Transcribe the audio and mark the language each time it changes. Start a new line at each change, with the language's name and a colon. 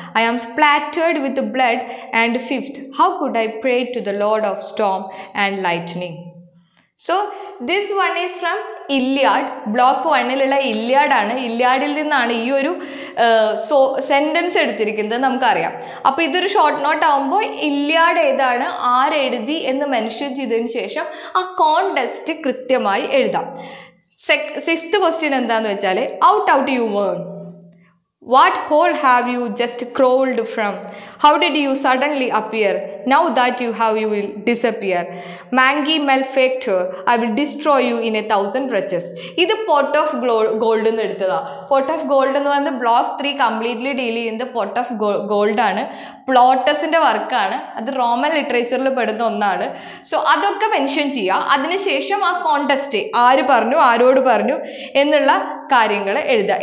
English: I am splattered with the blood. And 5th, how could I pray to the Lord of storm and lightning? So this one is from Iliad.
Malayalam: Block 1-ലുള്ള Iliad ആണ്. Iliad-ൽ നിന്നാണ് ഈ ഒരു sentence എടുത്തിരിക്കുന്നത് നമുക്കറിയാം. അപ്പോൾ ഇതൊരു short note ആകുമ്പോൾ Iliad ഏതാണ്, ആരെഴുതി എന്ന് മെൻഷൻ ചെയ്തതിന് ശേഷം ആ കോണ്ടെസ്റ്റ് കൃത്യമായി എഴുതാം.
English: Sixth question
Malayalam: എന്താന്ന് വെച്ചാൽ,
English: out you were. What hole have you just crawled from? How did you suddenly appear? Now that you have, you will disappear. Mangy malefactor, I will destroy you in 1,000 wretches.
Malayalam: ഇത് pot of gold എന്ന് എടുത്തതാ. Pot of gold എന്ന് പറയുന്നത് block 3 completely deal ചെയ്യുന്ന pot of ഗോൾഡാണ്. പ്ലോട്ടസിൻ്റെ വർക്കാണ്, അത് Roman ലിറ്ററേച്ചറിൽ പെടുന്ന ഒന്നാണ്. സോ അതൊക്കെ മെൻഷൻ ചെയ്യുക. അതിനുശേഷം ആ കോണ്ടസ്റ്റ് ആര് പറഞ്ഞു, ആരോട് പറഞ്ഞു എന്നുള്ള കാര്യങ്ങൾ എഴുതുക.